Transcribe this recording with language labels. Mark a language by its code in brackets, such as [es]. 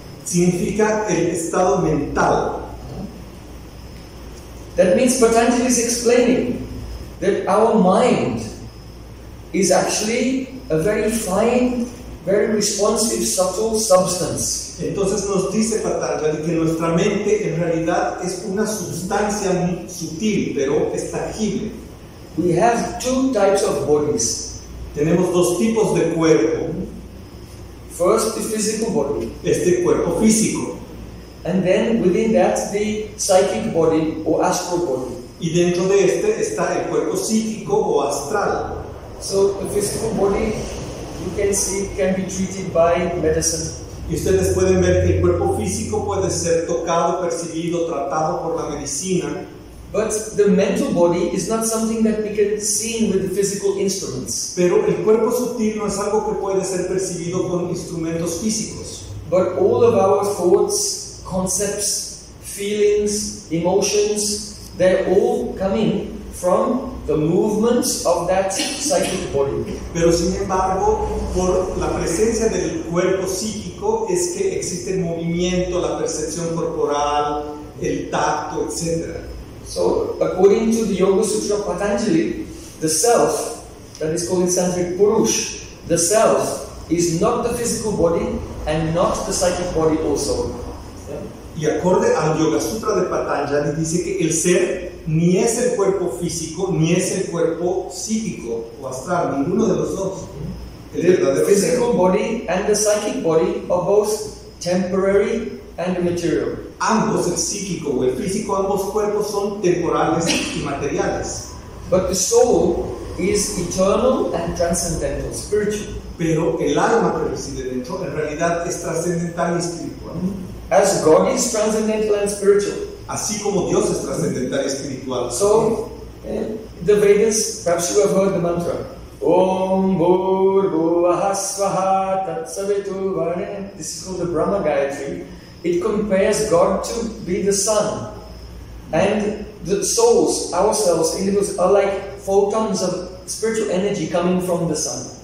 [es] Significa el estado mental. [en] That means Patanjali is explaining that our mind is actually a very fine, very responsive, subtle substance. [es] Entonces nos dice Patanjali que nuestra mente en realidad es una sustancia sutil, pero es tangible. [en] We have two types of bodies. [es] Tenemos dos tipos de cuerpo. [en] First, the physical body. [es] Este cuerpo físico. [en] And then within that the psychic body or astral body. [es] Y dentro de este está el cuerpo psíquico o astral. [en] So the physical body, you can see, can be treated by medicine. [es] Y ustedes pueden ver que el cuerpo físico puede ser tocado, percibido, tratado por la medicina. [en] But the mental body is not something that we can see with the physical instruments. [es] Pero el cuerpo sutil no es algo que puede ser percibido con instrumentos físicos. [en] But all of our thoughts, concepts, feelings, emotions, they're all coming from the movements of that psychic body. [es] Pero sin embargo, por la presencia del cuerpo psíquico es que existe el movimiento, la percepción corporal, el tacto, etc. [en] So, according to the Yoga Sutra of Patanjali, the self, that is called in Sanskrit Purush, the self is not the physical body and not the psychic body also. [es] Y acorde al Yoga Sutra de Patanjali, dice que el ser ni es el cuerpo físico, ni es el cuerpo psíquico o astral, ninguno de los dos. El verdadero [en] physical body and the psychic body are both temporary and material. [es] Ambos, el psíquico o el físico, ambos cuerpos son temporales y materiales. [en] But the soul is eternal and transcendental, spiritual. [es] Pero el alma que reside dentro, en realidad, es trascendental y espiritual. [en] As God is transcendental and spiritual. [es] Así como Dios es trascendental y espiritual. [en] So, the Vedas, perhaps you have heard the mantra. [sa] Om Bhurbhuvaha Svaha Tat Savitur Varnayam. [en] This is called the Brahma Gayatri. It compares God to be the sun. And the souls, ourselves, individuals, are like photons of spiritual energy coming from the sun.